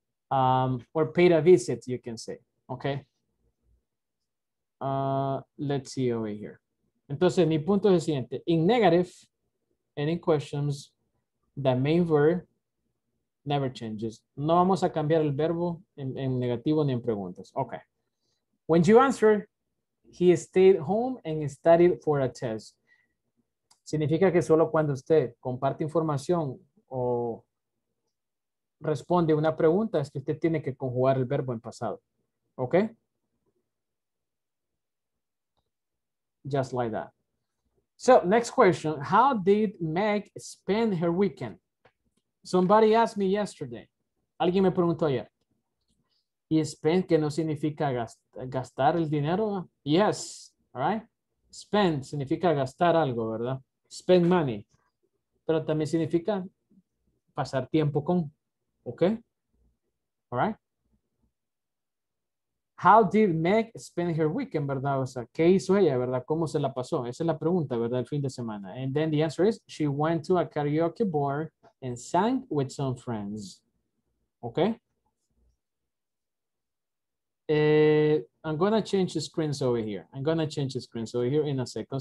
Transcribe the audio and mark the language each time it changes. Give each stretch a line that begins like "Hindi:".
English: Or paid a visit, you can say, okay? Let's see over here.
Spanish: Entonces, mi punto es el siguiente.
English: In negative and in questions, the main verb never changes.
Spanish: No vamos a cambiar el verbo en negativo ni en preguntas.
English: Okay. When you answer, he stayed home and studied for a test.
Spanish: Significa que solo cuando usted comparte información o responde una pregunta es que usted tiene que conjugar el verbo en pasado.
English: Okay? Just like that. So, next question. How did Meg spend her weekend? Somebody asked me yesterday.
Spanish: Alguien me preguntó ayer. ¿Y spend que no significa gastar el dinero?
English: Yes. All right. Spend
Spanish: significa gastar algo, ¿verdad?
English: Spend money.
Spanish: Pero también significa pasar tiempo con.
English: Okay. All right. How did Meg spend her weekend,
Spanish: ¿verdad? O sea, ¿qué hizo ella, verdad? ¿Cómo se la pasó? Esa es la pregunta, ¿verdad? El fin de semana.
English: And then the answer is, she went to a karaoke bar and sang with some friends. Okay? I'm going to change the screens over here. I'm going to change the screens over here in a second.